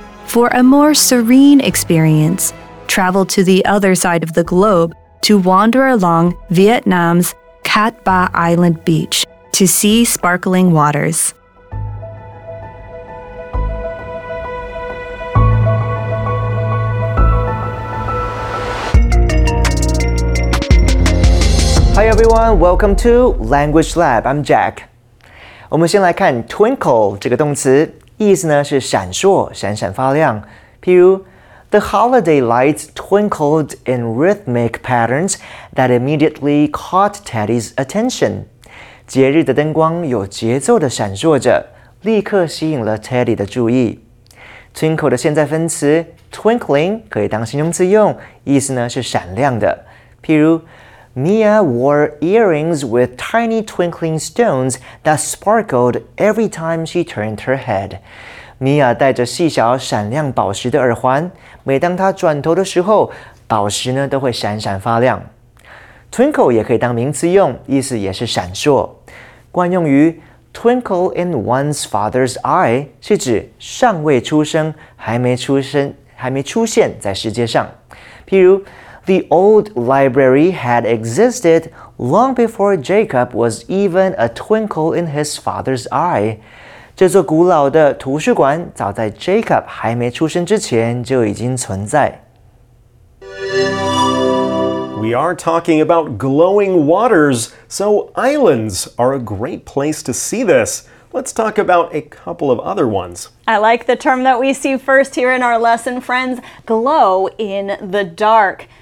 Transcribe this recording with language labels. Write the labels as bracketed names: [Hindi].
[English] For a more serene experience, travel to the other side of the globe to wander along Vietnam's Cat Ba Island beach to see sparkling waters. Hi everyone, welcome to Language Lab, I'm Jack. [Chinese] 我们先来看 twinkle 这个动词。意思呢是闪烁，闪闪发亮。譬如 [English] ，The holiday lights twinkled in rhythmic patterns that immediately caught Teddy's attention. [Chinese] 节日的灯光有节奏的闪烁着，立刻吸引了 Teddy 的注意。 Twinkle 的现在分词 twinkling 可以当形容词用，意思呢是闪亮的。譬如 [English] ，Mia wore earrings with tiny twinkling stones that sparkled every time she turned her head. [Chinese] Mia 戴着细小闪亮宝石的耳环，每当她转头的时候，宝石呢都会闪闪发亮。 Twinkle 也可以当名词用，意思也是闪烁。惯用于 [English] twinkle in one's father's eye [Chinese] 是指尚未出生，还没出现在世界上。譬如。 [English] The old library had existed long before Jacob was even a twinkle in his father's eye. [Chinese] 这座古老的图书馆早在 Jacob 还没出生之前就已经存在。 [English] We are talking about glowing waters, so islands are a great place to see this. Let's talk about a couple of other ones. I like the term that we see first here in our lesson, friends, glow in the dark.